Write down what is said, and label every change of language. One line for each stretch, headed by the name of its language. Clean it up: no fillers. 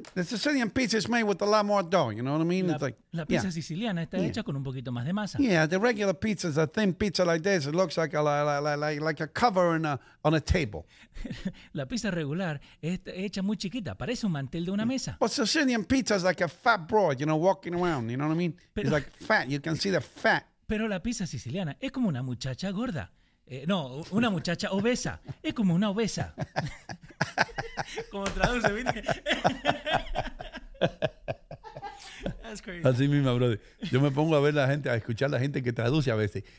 English: The Sicilian pizza is made with a lot more dough, you know what I mean?
Spanish: La pizza siciliana está hecha con un poquito más de masa.
English: Yeah, the regular pizza is a thin pizza like this. It looks like a cover on a table.
Spanish: La pizza regular está hecha muy chiquita, parece un mantel de una mesa.
English: But Sicilian pizza is like a fat broad, you know, walking around, you know what I mean?
Spanish: Pero,
English: it's like fat, you can see the fat.
Spanish: Pero la pizza siciliana es como una muchacha gorda. No, una muchacha obesa. Es como una obesa. Como traduce, ¿viste?
English: That's crazy.
Spanish: Así mismo, brother. Yo me pongo a ver la gente, a escuchar a la gente que traduce a veces.